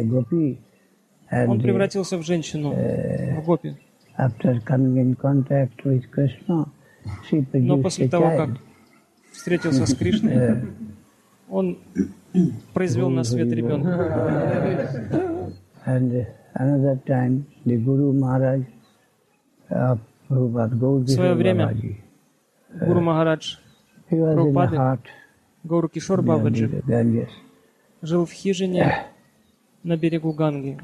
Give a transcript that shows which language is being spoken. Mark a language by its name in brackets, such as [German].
[Russian] Он превратился в женщину, в гопи. [English] After coming in contact with Krishna, she produced [Russian] но после [English] a [Russian] того, [English] child. [Russian] Как встретился с Кришной, он произвел на свет ребенка. [English] And another time, the Guru Maharaj of Prabhupada, Gaurakishore [Russian] Babaji. В свое время Гуру Махарадж Прабхупады, Гаурукишор Бабаджи, жил в хижине на берегу Ганги.